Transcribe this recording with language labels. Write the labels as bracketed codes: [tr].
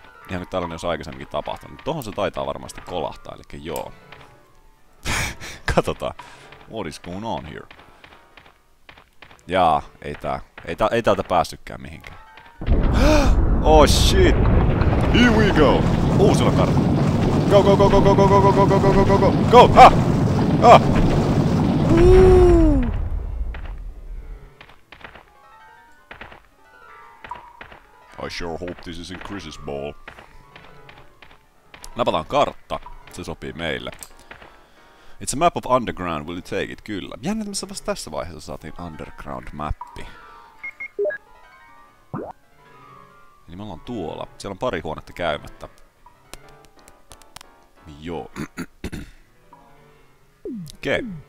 [fi] Ihan kuin tällainen olisi aikaisemminkin tapahtunut. Tohon se taitaa varmasti kolahtaa, eli joo. Katsotaan. [en] What is going on here? [fi] Jaa, ei täältä päässytkään mihinkään. [en] Oh shit! Here we go! [fi] Uusilla kartalla. [en] Go, go, go, go, go, go, go, go, go, go, go, go, go, go, go, go, I sure hope this isn't Chris's ball. [fi] Napataan kartta. Se sopii meille. [en] It's a map of underground, will you take it? [fi] Kyllä. Jännittämässä vasta tässä vaiheessa saatiin underground mappi. Eli me ollaan tuolla. Siellä on pari huonetta käymättä. Joo. Okei. Okay.